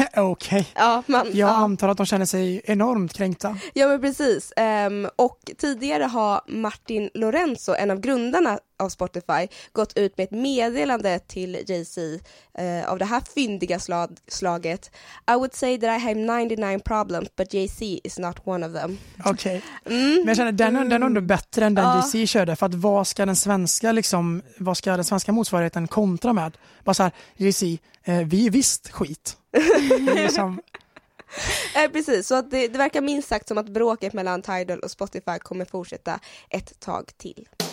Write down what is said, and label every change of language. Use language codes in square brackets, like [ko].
[sv] Okej. Okay. Ja, jag antar att de känner sig enormt kränkta. Ja, men precis. Och tidigare har Martin Lorenzo, en av grundarna av Spotify, gått ut med ett meddelande till Jay-Z av det här fyndiga slaget. [en] I would say that I have 99 problems, but Jay-Z is not one of them. Okej. Okay. Mm. [sv] Men jag känner, den är ändå bättre än den Jay-Z körde. För att vad ska den svenska motsvarigheten kontra med? Bara så här, Jay-Z, vi är visst skit. Precis, så att det verkar minst sagt som att bråket mellan Tidal och Spotify kommer fortsätta ett tag till.